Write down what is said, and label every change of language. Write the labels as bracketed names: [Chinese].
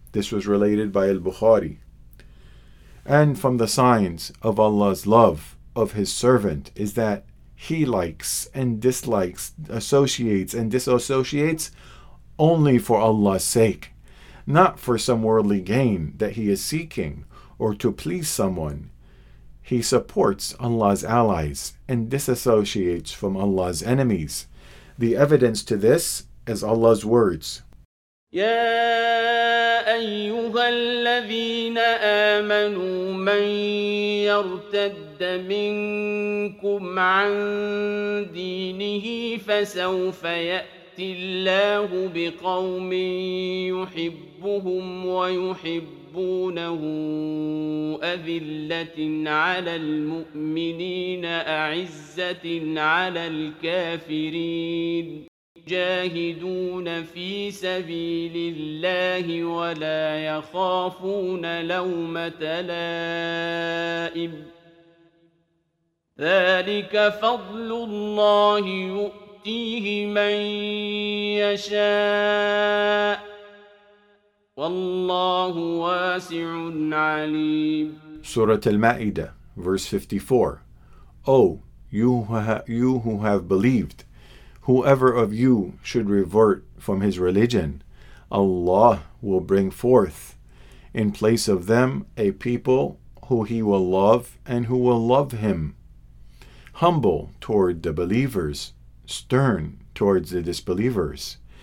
[English] This was related by Al-Bukhari. And from the signs of Allah's love of his servant is that he likes and dislikes, associates and disassociates only for Allah's sake, not for some worldly gain that he is seeking or to please someone. He supports Allah's allies and disassociates from Allah's enemies. The evidence to this is Allah's words. [Arabic] يَا أَيُّهَا الَّذِينَ آمَنُوا مَنْ يَرْتَدَّ مِنْكُمْ عَنْ دِينِهِ فَسَوْفَ يَأْتِي اللَّهُ بِقَوْمٍ يُحِبُّهُمْ وَيُحِبُّونَهُ أَذِلَّةٍ عَلَى الْمُؤْمِنِينَ أَعِزَّةٍ عَلَى الْكَافِرِينَ يجاهدون في سبيل الله ولا يخافون لومة لائم ذلك فضل الله يؤتيه من يشاء والله واسع عليم. سورة المائدة verse 54. [English] You who have believed, whoever of you should revert from his religion, Allah will bring forth in place of them a people who he will love and who will love him, humble toward the believers, stern towards the disbelievers.